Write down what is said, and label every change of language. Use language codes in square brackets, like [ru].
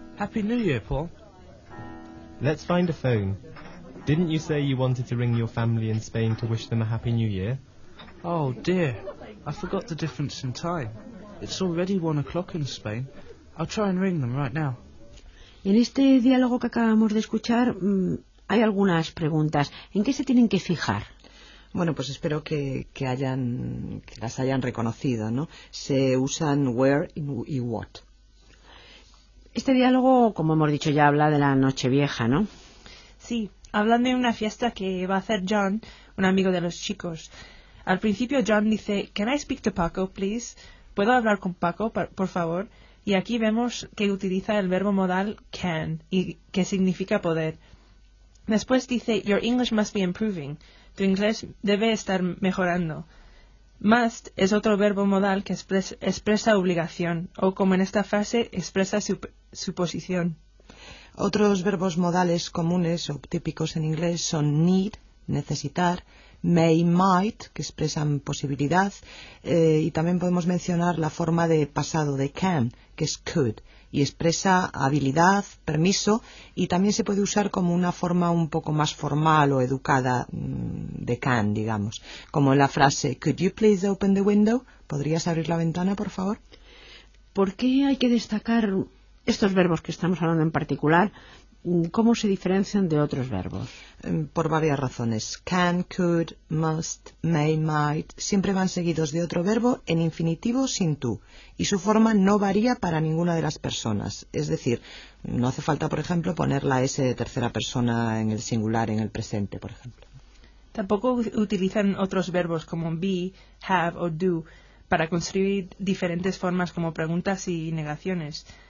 [en] Happy New Year, Paul. Let's find a phone. Didn't you say you wanted to ring your family in Spain to wish them a Happy New Year? Oh, dear. I forgot the difference in time. It's already 1 o'clock in Spain. I'll try and ring them right now. [es] En este diálogo que acabamos de escuchar hay algunas preguntas. ¿En qué se tienen que fijar? Bueno, pues espero que las hayan reconocido, ¿no? Se usan where y what. Este diálogo, como hemos dicho, ya habla de la Nochevieja, ¿no? Sí, hablan de una fiesta que va a hacer John, un amigo de los chicos. Al principio John dice, [en] "Can I speak to Paco, please?" [es] ¿Puedo hablar con Paco, por favor? Y aquí vemos que utiliza el verbo modal can, y que significa poder. Después dice, [en] "Your English must be improving." [es] Tu inglés debe estar mejorando. Must es otro verbo modal que expresa obligación, o como en esta frase, expresa su posición. Otros verbos modales comunes o típicos en inglés son need, necesitar, may, might, que expresan posibilidad, y también podemos mencionar la forma de pasado de can, que es could, y expresa habilidad, permiso, y también se puede usar como una forma un poco más formal o educada de can, digamos. Como en la frase, [en] could you please open the window? [es] ¿Podrías abrir la ventana, por favor? ¿Por qué hay que destacar estos verbos que estamos hablando en particular? ¿Cómo se diferencian de otros verbos? Por varias razones. Can, could, must, may, might. Siempre van seguidos de otro verbo en infinitivo sin tú. Y su forma no varía para ninguna de las personas. Es decir, no hace falta, por ejemplo, poner la S de tercera persona en el singular, en el presente, por ejemplo. Tampoco utilizan otros verbos como be, have o do para construir diferentes formas como preguntas y negaciones.